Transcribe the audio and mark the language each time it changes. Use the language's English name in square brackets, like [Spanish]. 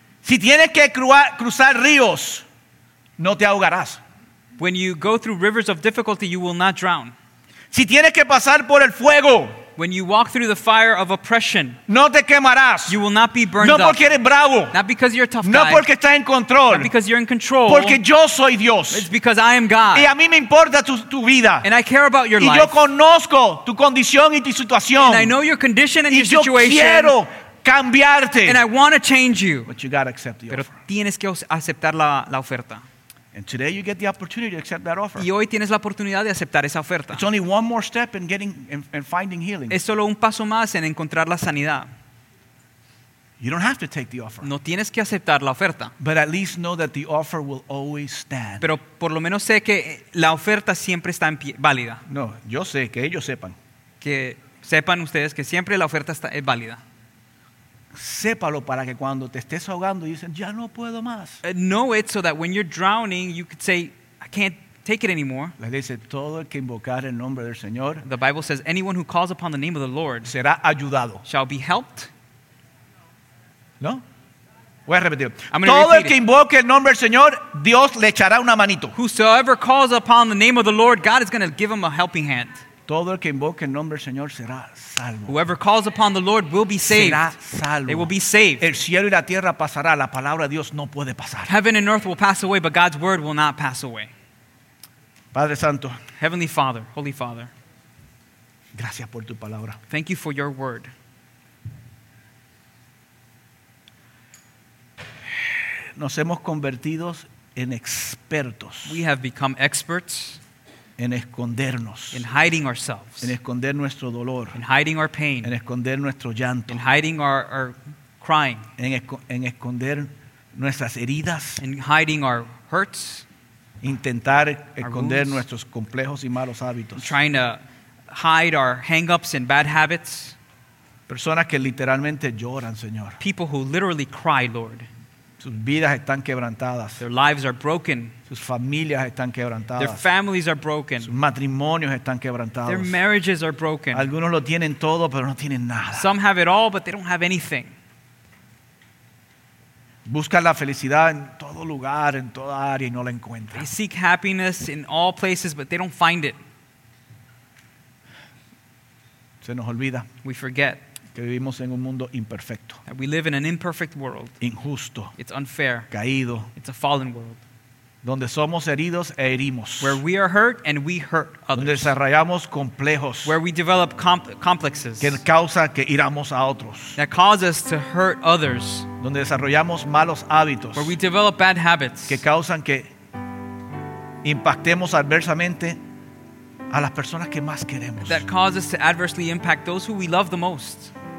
[Spanish] Si tienes que cruzar ríos, no te ahogarás. [English] When you go through rivers of difficulty, you will not drown. [Spanish] Si tienes que pasar por el fuego, [English] when you walk through the fire of oppression, [Spanish] no te quemarás. [English] You will not be burned [Spanish] no porque [English] up. [Spanish] Eres bravo. [English] Not because you're a tough [Spanish] no [English] guy. [Spanish] Porque estás en control. [English] Not because you're in control. [Spanish] Porque yo soy Dios. [English] It's because I am God. [Spanish] Y a mí me importa tu vida. [English] And I care about your [Spanish] y [English] life. [Spanish] Yo conozco tu condición y tu situación. [English] And I know your condition and [Spanish] y [English] your situation. [Spanish] Yo quiero cambiarte. [English] And I want to change you. But you got to accept the [Spanish] Pero [English] offer. [Spanish] Tienes que aceptar la oferta. [English] And today you get the opportunity to accept that offer. [Spanish] Y hoy tienes la oportunidad de aceptar esa oferta. [English] It's only one more step in getting and finding healing. [Spanish] Es solo un paso más en encontrar la sanidad. [English] You don't have to take the offer. [Spanish] No tienes que aceptar la oferta. [English] But at least know that the offer will always stand. [Spanish] Pero por lo menos sé que la oferta siempre está en pie, válida. No, yo sé que ellos sepan. Que sepan ustedes que siempre la oferta es válida. Sépalo para que cuando te estés ahogando y dicen ya no puedo más. [English] Know it so that when you're drowning you could say I can't take it anymore. [Spanish] La Biblia dice todo el que invocar el nombre del Señor. [English] The Bible says anyone who calls upon the name of the Lord [Spanish] será ayudado. [English] Shall be helped. [Spanish] No. Voy a repetir. Todo el que invoque el nombre del Señor, Dios le echará una manito. [English] Whosoever calls upon the name of the Lord, God is going to give him a helping hand. [Spanish] Todo el que invoque el nombre del Señor será salvo. [English] Whoever calls upon the Lord will be saved. [Spanish] Será salvo. [English] They will be saved. [Spanish] El cielo y la tierra pasará, la palabra de Dios no puede pasar. [English] Heaven and earth will pass away, but God's word will not pass away. [Spanish] Padre Santo. [English] Heavenly Father, Holy Father. [Spanish] Gracias por tu palabra. [English] Thank you for your word. [Spanish] Nos hemos convertido en expertos. [English] We have become experts. [Spanish] En escondernos. [English] In hiding ourselves. [Spanish] En esconder nuestro dolor. [English] In hiding our pain. [Spanish] En esconder nuestro llanto. [English] In hiding our crying. [Spanish] En esconder nuestras heridas. [English] In hiding our hurts. [Spanish] Intentar esconder nuestros complejos y malos hábitos. [English] Trying to hide our hang-ups and bad habits. [Spanish] Personas que literalmente lloran, Señor. [English] People who literally cry, Lord. [Spanish] Sus vidas están quebrantadas. [English] Their lives are broken. [Spanish] Sus familias están quebrantadas. [English] Their families are broken. [Spanish] Sus matrimonios están quebrantados. [English] Their marriages are broken. [Spanish] Algunos lo tienen todo, pero no tienen nada. [English] Some have it all, but they don't have anything. [Spanish] Buscan la felicidad en todo lugar, en toda área, y no la encuentran. [English] They seek happiness in all places, but they don't find it. [Spanish] Se nos olvida. [English] We forget. [Spanish] Que vivimos en un mundo imperfecto. [English] That we live in an imperfect world. [Spanish] Injusto. [English] It's unfair. [Spanish] Caído. [English] It's a fallen world. [Spanish] Donde somos heridos e herimos. [English] Where we are hurt and we hurt others. [Spanish] Donde desarrollamos complejos. [English] Where we develop complexes. [Spanish] Que causa que hiramos a otros. [English] That cause us to hurt others. [Spanish] Donde desarrollamos malos hábitos. [English] Where we develop bad habits. [Spanish] Que causan que impactemos adversamente a las personas que más queremos. [English] That cause us to adversely impact those who we love the most.